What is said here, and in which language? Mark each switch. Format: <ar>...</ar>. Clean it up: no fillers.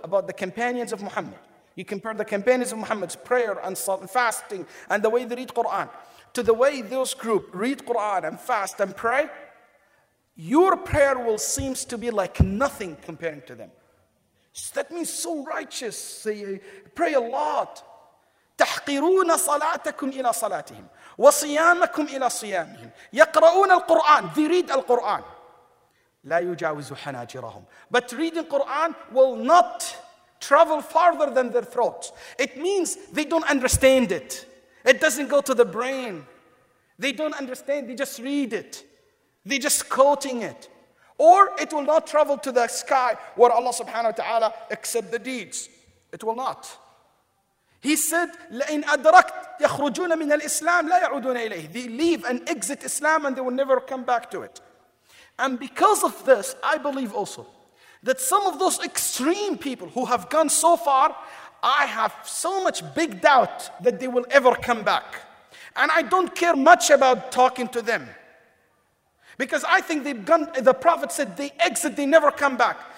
<en>About the companions of Muhammad. You compare the companions of Muhammad's prayer and fasting and the way they read Quran to the way those group read Quran and fast and pray, your prayer will seem to be like nothing comparing to them. So that means so righteous. Say, pray a lot.</en> <ar>تحقرون صلاتكم إلى صلاتهم. وصيامكم إلى صيامهم يقرؤون القرآن.</ar> <en>They read Al-Quran.</en> <ar>لا يجاوز حناجرهم.</ar> <en>But reading Quran will not travel farther than their throats. It means they don't understand it. It doesn't go to the brain. They don't understand. They just read it. They just quoting it. Or it will not travel to the sky where Allah subhanahu wa ta'ala accept the deeds. It will not. He said,</en> <ar>لَإِنْ أَدْرَكْتْ يَخْرُجُونَ مِنَ الْإِسْلَامِ لَا يَعُدُونَ إِلَيْهِ.</ar> <en>They leave and exit Islam and they will never come back to it. And because of this, I believe also that some of those extreme people who have gone so far, I have so much big doubt that they will ever come back. And I don't care much about talking to them. Because I think they've gone, the Prophet said, they exit, they never come back.</en>